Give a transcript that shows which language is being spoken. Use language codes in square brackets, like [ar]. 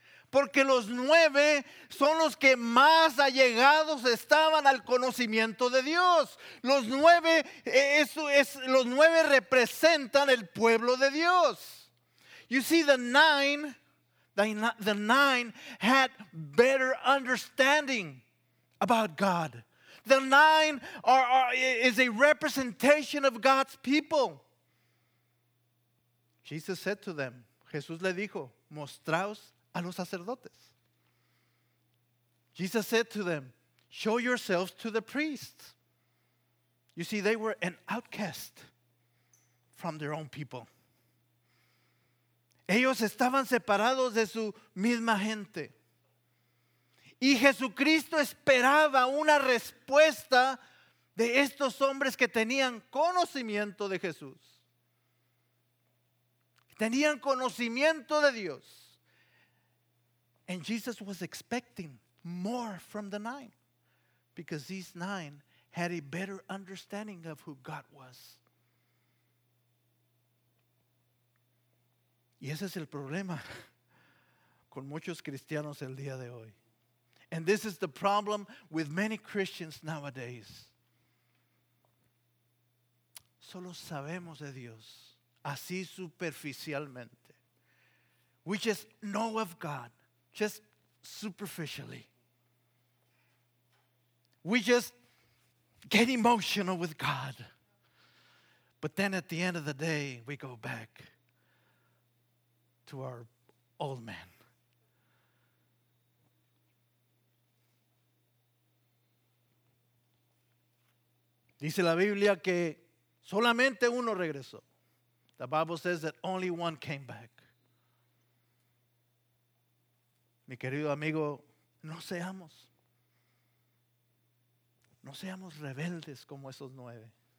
[es] Porque los 9 son los que más allegados estaban al conocimiento de Dios. Los 9, eso es, los 9 representan el pueblo de Dios. [en] You see, the nine had better understanding about God. The 9 is a representation of God's people. Jesus said to them, [es] Jesús le dijo, mostraos a los sacerdotes. [en] Jesus said to them, show yourselves to the priests. You see, they were an outcast from their own people. [es] Ellos estaban separados de su misma gente. Y Jesucristo esperaba una respuesta de estos hombres que tenían conocimiento de Jesús. Tenían conocimiento de Dios. [en] And Jesus was expecting more from the 9. Because these 9 had a better understanding of who God was. [es] Y ese es el problema con muchos cristianos el día de hoy. [en] And this is the problem with many Christians nowadays. [es] Solo sabemos de Dios, así superficialmente. [en] We just know of God, just superficially. We just get emotional with God. But then at the end of the day, we go back to our old man. [es] Dice la Biblia que solamente uno regresó. [en] The Bible says that only one came back. [es] Mi querido amigo, no seamos rebeldes como esos 9.